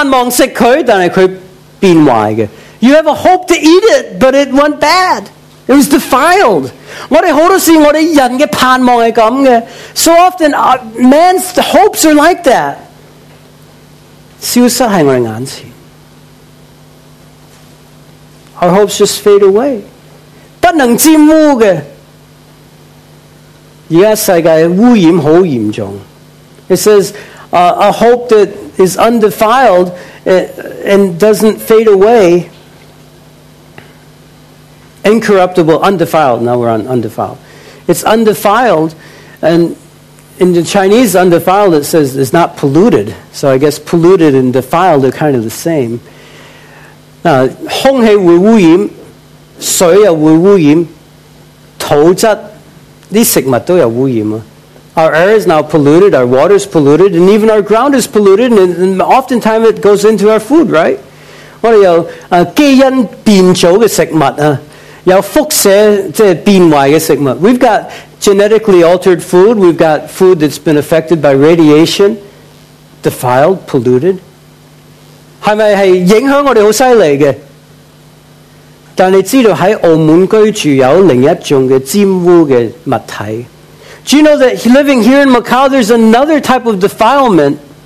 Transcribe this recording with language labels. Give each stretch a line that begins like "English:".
Chinese: 你很有盼望吃它,但是它变坏的。
English: You have a hope to eat it, but it went bad. It was defiled.
Chinese: 我们很多时候我们人的盼望是这样的。
English: So often, man's hopes are like that.
Chinese: 消失在我们眼前。
English: Our hopes just fade away.
Chinese: 不能沾污的。现在世界污染很严重。
English: It says, a hope that is undefiled and doesn't fade away. Incorruptible, undefiled. Now we're on undefiled. It's undefiled, and in the Chinese, undefiled, it says it's not polluted. So I guess polluted and defiled are kind of the same.
Chinese: Now, 空气会污染, 水也会污染, 土质, 这些食物都有污染啊。
English: Our air is now polluted, our water is polluted, and even our ground is polluted, and oftentimes it goes into our food, right?
Chinese: 我们有基因变造的食物,有辐射变坏的食物。
English: We've got genetically altered food, we've got food that's been affected by radiation, defiled, polluted.
Chinese: 是不是影响我们很厉害的?但你知道在澳门居住有另一种的沾污的物体。
English: Do you know that living here in Macau, there's another type of defilement?